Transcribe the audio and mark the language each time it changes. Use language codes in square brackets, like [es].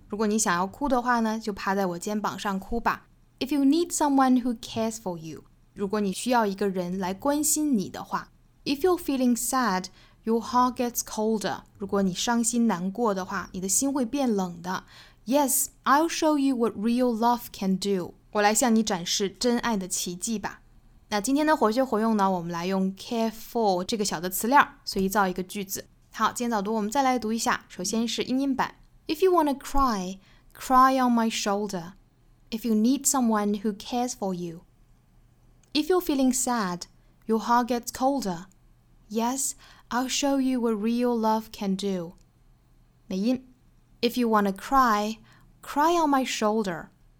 [zh] 如果你想要哭的话呢，就趴在我肩膀上哭吧。 If you need someone who cares for you, 如果你需要一个人来关心你的话。 [en] If you're feeling sad,Your heart gets colder. [zh] 如果你伤心难过的话，你的心会变冷的。 [en] Yes, I'll show you what real love can do. [zh] 我来向你展示真爱的奇迹吧。那今天的活学活用呢，我们来用 care for 这个小的词链，随意造一个句子。好，今天早读我们再来读一下。 [en] 首先是英音版。 If you wanna cry, cry on my shoulder. If you need someone who cares for you. If you're feeling sad, your heart gets colder. Yes,I'll show you what real love can do. 美音。 If you wanna cry, cry on my shoulder.